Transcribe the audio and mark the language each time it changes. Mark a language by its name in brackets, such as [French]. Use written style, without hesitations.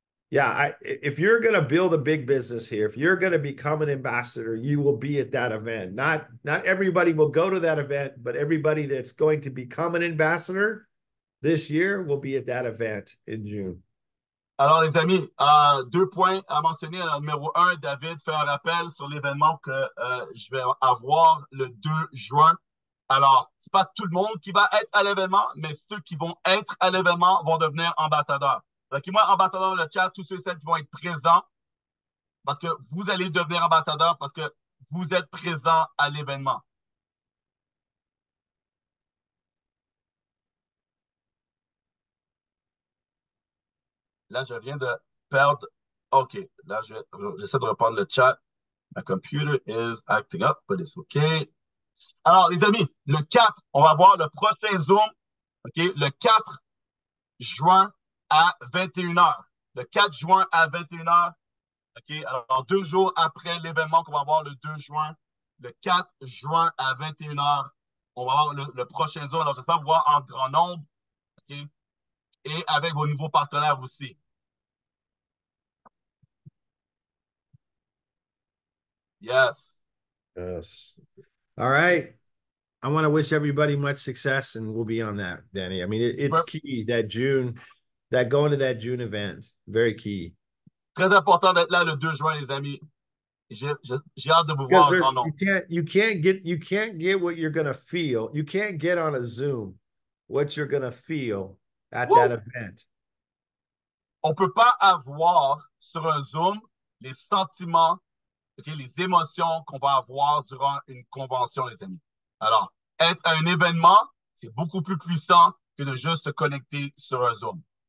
[English] Yeah, if you're going to build a big business here, if you're going to become an ambassador, you will be at that event. Not everybody will go to that event, but everybody that's going to become an ambassador this year will be at that event in June. [French] Alors, les amis, deux points à mentionner. Alors, numéro un, David fait un rappel sur l'événement que je vais avoir le 2 juin. Alors, ce n'est pas tout le monde qui va être à l'événement, mais ceux qui vont être à l'événement vont devenir ambassadeurs. Donc, moi, ambassadeur dans le chat, tous ceux et celles qui vont être présents, parce que vous allez devenir ambassadeurs parce que vous êtes présents à l'événement. Là, je viens de perdre. OK. Là, j'essaie de reprendre le chat. [English] My computer is acting up, but it's OK. [French] Alors, les amis, le 4, on va voir le prochain Zoom. OK. Le 4 juin à 21h. Le 4 juin à 21h. OK. Alors, deux jours après l'événement qu'on va voir le 2 juin. Le 4 juin à 21h, on va voir le prochain Zoom. Alors, j'espère vous voir en grand nombre. OK. Et avec vos nouveaux partenaires aussi. [English] Yes. Yes. All right. I want to wish everybody much success, and we'll be on that, Danny. I mean, it's key that June, that going to that June event, very key. [French] Très important d'être là le 2 juin, les amis. J'ai hâte de vous voir. [English] Non. You can't get what you're gonna feel. You can't get on a Zoom what you're gonna feel at that event. [French] On peut pas avoir sur un Zoom les sentiments. Okay, les émotions qu'on va avoir durant une convention, les amis. Alors, être à un événement, c'est beaucoup plus puissant que de juste se connecter sur un Zoom.